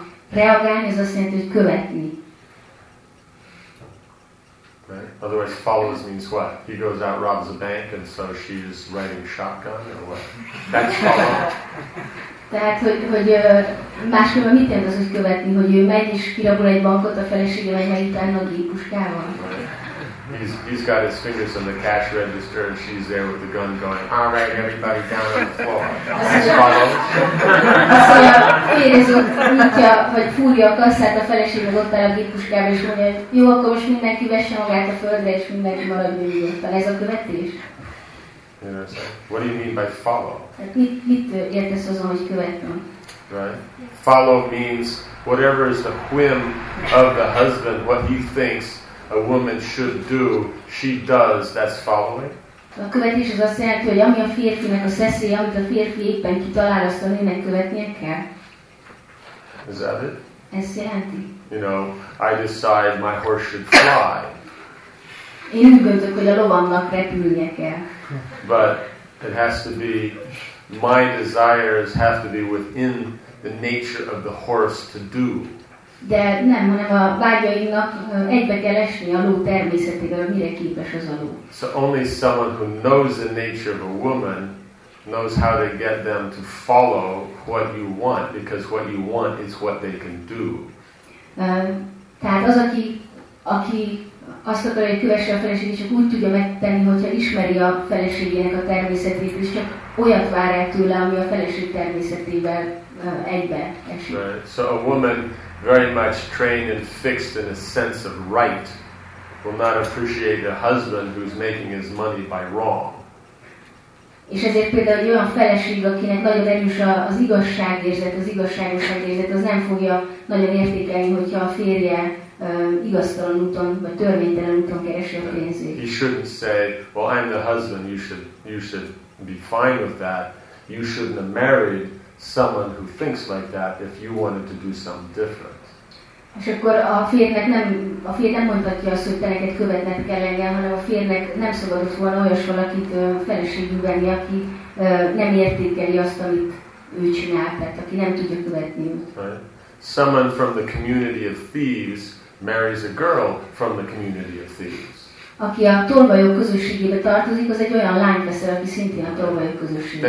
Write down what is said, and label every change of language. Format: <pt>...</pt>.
<hu>Reagálni az azt jelenti, hogy követni.</hu> <en>Right. Otherwise, follows means what? He goes out, robs a bank, and so she's riding shotgun, or what? That's follow.</en> <hu>Tehát, hogy máskülön mit jelent az, hogy követni, hogy ő megy és kirabol egy bankot a felesége, vagy megy utána a gépuskával?</hu> <en>He's got his fingers on the cash register, and she's there with the gun going, all right, everybody down on the floor. That's follow.</en> <hu>Azt mondja, férjező nyitja, vagy fúrja a kasszát a felesége, ott áll a gépuskával, és mondja, jó, akkor most mindenki vesse magát a földre, és mindenki maradjon nyugodtan. Ez a követés?</hu> <en>What do you mean by follow?</en> <hu>Mit értesz azon, hogy követnem?</hu> <en>Right. Follow means whatever is the whim of the husband, what he thinks a woman should do, she does. That's following.</en> <hu>A követés az azt jelenti, hogy ami a férfinek a szeszély, amit a férfi éppen kitalál, azt a nőnek követnie kell.</hu> <en>Is that it?</en> <hu>Ez jelenti.</hu> <en>You know, I decide my horse should fly.</en> <hu>Én úgy gondolok, hogy a lovamnak repülnie kell.</hu> <en>But it has to be, my desires have to be within the nature of the horse to do.</en> <hu>De nem, hanem a vágyainak egybe kell esni a ló természetével, mire képes az a ló.</hu> <en>So only someone who knows the nature of a woman knows how to get them to follow what you want, because what you want is what they can do.</en> <hu>Tehát az, aki aki azt akarja, hogy kövesse a feleségét, csak úgy tudja megtenni, hogyha ismeri a feleségének a természetét, és csak olyat vár el tőle, ami a feleség természetével egybe esik.</hu> <en>Right. So a woman very much trained and fixed in a sense of right will not appreciate a husband who's making his money by wrong.</en> <hu>És ezért például egy olyan feleség, akinek nagyon erős az igazságérzet, az igazságosságérzet, az nem fogja nagyon értékelni, hogyha a férje igaztalan úton, vagy törvénytelen úton keresi a pénzét.</hu> <en>He shouldn't say, well, I'm the husband, you should be fine with that. You shouldn't have married someone who thinks like that if you wanted to do something different.</en> <hu>És akkor a férjnek nem mondhatja azt, hogy te neked követned kell engem, hanem a férjnek nem szabadott volna olyas valakit feleségül venni, aki nem értékeli azt, amit ő csinál, tehát aki nem tudja követni őt.</hu> <en>Someone from the community of thieves marries a girl from the community of thieves.</en> <hu>Aki a tolvajok közösségébe tartozik, az egy olyan lány veszel, aki szintén a tolvajok közösségébe</hu>